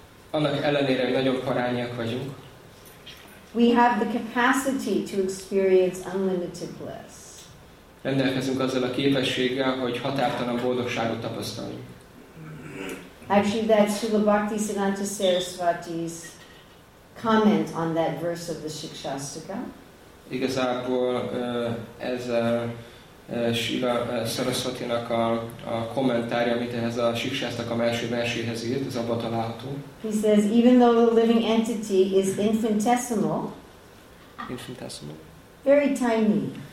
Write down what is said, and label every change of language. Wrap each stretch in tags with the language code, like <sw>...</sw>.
<hu>Annak ellenére nagyon parányiak vagyunk.</hu> <en>We have the capacity to experience unlimited bliss.</en> <hu>Rendelkezünk azzal a képességgel, hogy határtalan boldogságot tapasztaljunk.</hu> <en>Actually, that's Srila Bhaktisiddhanta Sarasvati's comment on that verse of the Shikshastika.</en> <hu>Igazából ez Srila Sarasvatinak a kommentárja, amit ehhez a Shikshastaka első verséhez írt, ez abban található.</hu> <en>He says, even though the living entity is infinitesimal, very tiny,</en>